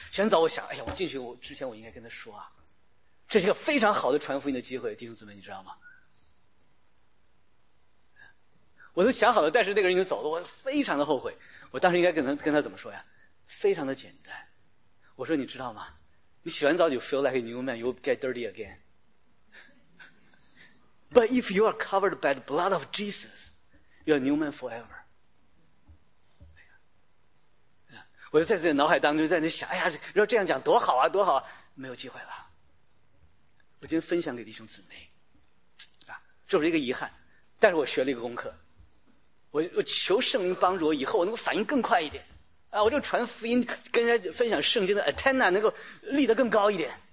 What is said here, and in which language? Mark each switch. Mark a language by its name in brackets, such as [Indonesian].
[Chinese] 洗完澡我想，哎呀，我进去我之前我应该跟他说啊。这是一个非常好的传福音的机会，弟兄姊妹，你知道吗？我都想好了，但是那个人已经走了，我非常的后悔。我当时应该跟他怎么说呀？非常的简单，我说你知道吗？你洗完澡就 [English] feel like a new man, you get dirty again. But if you are covered by the blood of Jesus, you are a new man forever. [Chinese] 我就在自己脑海当中在那想，哎呀，要这样讲多好啊，多好啊，没有机会了。我今天分享给弟兄姊妹啊，这是一个遗憾，但是我学了一个功课，我求圣灵帮助我，以后我能够反应更快一点啊，我就传福音跟人家分享圣经的 antenna 能够立得更高一点。